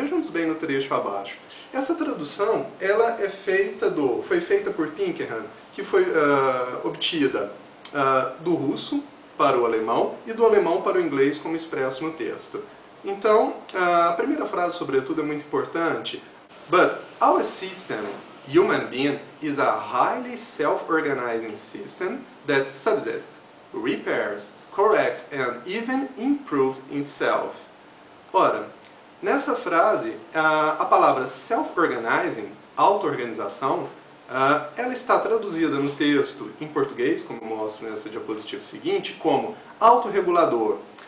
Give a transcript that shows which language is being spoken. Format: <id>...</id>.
<pt>Vejamos bem no trecho abaixo. Essa tradução ela é feita foi feita por Pinkerhahn, que foi obtida do russo para o alemão e do alemão para o inglês, como expresso no texto. Então, a primeira frase, sobretudo, é muito importante.</pt> <en>But our system, human being, is a highly self-organizing system that subsists, repairs, corrects and even improves itself.</en> <pt>Ora, nessa frase, a palavra self-organizing, auto-organização, ela está traduzida no texto em português, como mostro nessa diapositiva seguinte, como autorregulador.</pt>